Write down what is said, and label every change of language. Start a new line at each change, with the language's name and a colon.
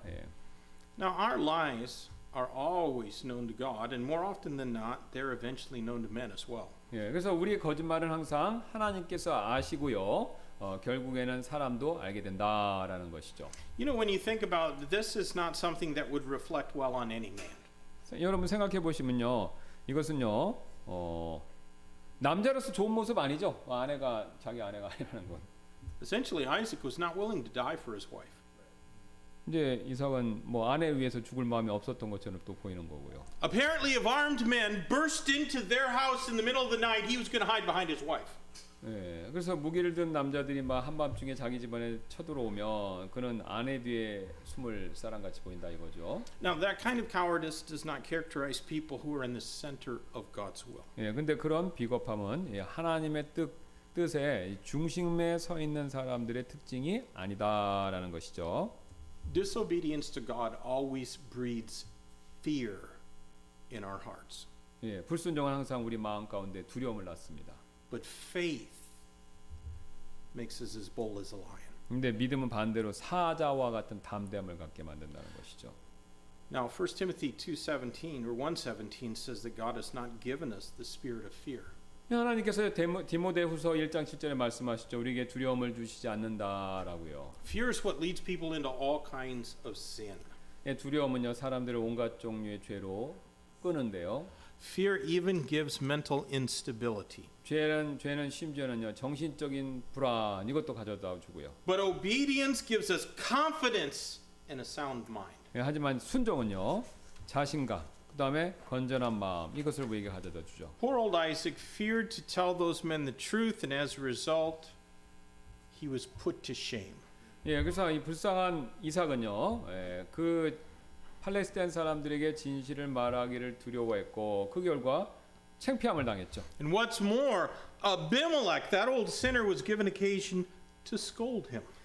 Korean: 예.
English: Now our lies are always known to God, and more often than not, they're eventually known to men as well.
Korean: 예, 그래서 우리의 거짓말은 항상 하나님께서 아시고요. 결국에는 사람도 알게 된다라는 것이죠.
English: You know, when you think about this, is not something that would reflect well on any man.
Korean: 여러분 생각해 보시면요, 이것은요 남자로서 좋은 모습 아니죠? 아내가 자기 아내가 아니라는 건.
English: Essentially, Isaac was not willing to die for his wife.
Korean: 이제 이삭은 뭐 아내 위해서 죽을 마음이 없었던 것처럼 또 보이는 거고요.
English: Apparently, if armed men burst into their house in the middle of the night, he was going to hide behind his wife.
Korean: 예, 그래서 무기를 든 남자들이 막 한밤중에 자기 집안에 쳐들어오면 그는 아내 뒤에 숨을 사람같이 보인다 이거죠.
English: Now that kind of cowardice does not characterize people who are in the center of God's will.
Korean: 예, 근데 그런 비겁함은 하나님의 뜻에 중심에 서 있는 사람들의 특징이 아니다라는 것이죠.
English: Disobedience to God always breeds fear in our hearts.
Korean: 예, 불순종은 항상 우리 마음 가운데 두려움을 낳습니다.
English: But faith makes us as bold as a lion.
Korean: 근데 믿음은 반대로 사자와 같은 담대함을 갖게 만든다는 것이죠.
English: Now, 1 Timothy 2:17 or 1:17 says that God has not given us the spirit of fear.
Korean: 하나님께서 디모데후서 1장 7절에 말씀하시죠. 우리에게 두려움을 주시지 않는다라고요.
English: Fear is what leads people into all kinds of sin.
Korean: 예, 두려움은요, 사람들을 온갖 종류의 죄로 끄는데요.
English: Fear even gives mental instability.
Korean: 죄는 심지어는요, 정신적인 불안 이것도 가져다 주고요.
English: But obedience gives us confidence and a sound mind.
Korean: 예, 하지만 순종은요, 자신감 그다음에 건전한 마음 이것을 우리에게 가져다 주죠.
English: Poor old Isaac feared to tell those men the truth, and as a result, he was put to shame.
Korean: 예, 그래서 이 불쌍한 이삭은요, 예, 그 팔레스타인 사람들에게 진실을 말하기를 두려워했고 그 결과 창피함을 당했죠.
English: And what's more, Abimelech, that old sinner, was given occasion to scold him.